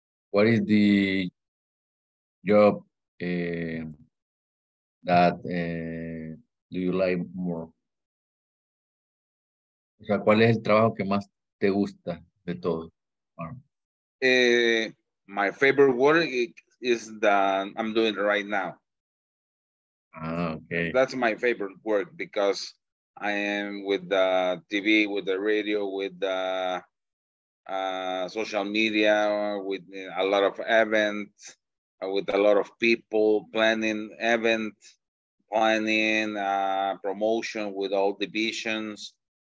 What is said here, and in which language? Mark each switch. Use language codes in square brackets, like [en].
[en] What is the job that do you like more? [es] O sea, ¿cuál es el trabajo que más te gusta de todo? [en] My favorite work is that I'm doing right now. Okay. That's my favorite work because I am with the TV, with the radio, with the social media, with a lot of events, with a lot of people planning events, planning promotion with all divisions.